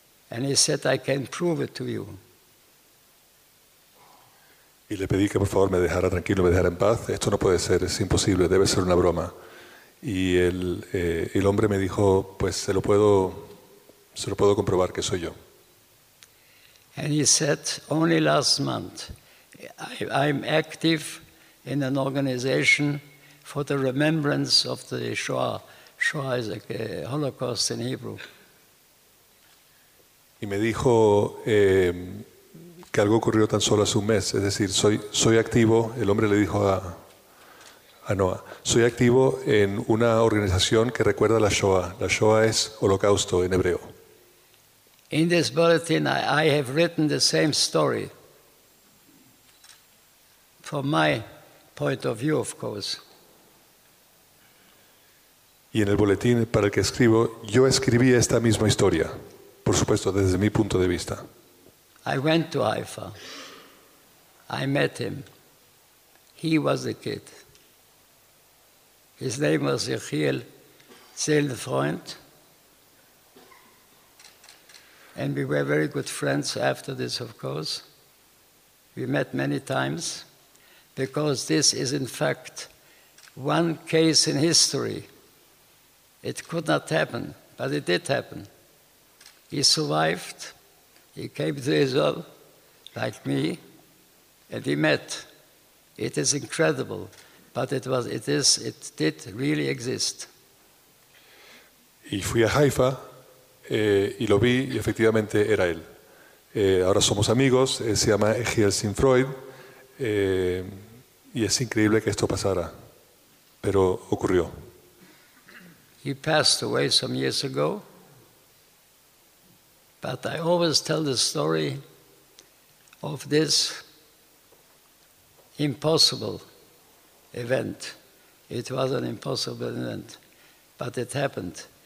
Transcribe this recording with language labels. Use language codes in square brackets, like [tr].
[en] And he said, I can prove it to you. [es] Y le pedí que por favor me dejara tranquilo, me dejara en paz. Esto no puede ser, es imposible, debe ser una broma. Y el hombre me dijo, pues se lo puedo comprobar que soy yo. [en] And he said, only last month, I'm active in an organization for the remembrance of the Shoah. Shoah is a Holocaust in Hebrew. [es] Y me dijo que algo ocurrió tan solo hace un mes. Es decir, soy activo. El hombre le dijo a Noah: soy activo en una organización que recuerda la Shoah. La Shoah es Holocausto en hebreo. [en] In this bulletin, I have written the same story. From my point of view, of course. [es] Y en el boletín para el que escribo, yo escribí esta misma historia, por supuesto, desde mi punto de vista. [en] I went to Haifa. I met him. He was a kid. His name was Yechiel Seelenfreund. And we were very good friends after this, of course. We met many times. Because this is in fact one case in history. It could not happen, but it did happen. He survived, he came to Israel, like me, and he met. It is incredible, but it did really exist. [es] Y fui a Haifa, y lo vi, y efectivamente era él. Ahora somos amigos, se llama Yechiel Seelenfreund. Y es increíble que esto pasara, pero ocurrió. [en] He passed away some years ago, but I always tell the story of this impossible event. It was an impossible event, but it happened.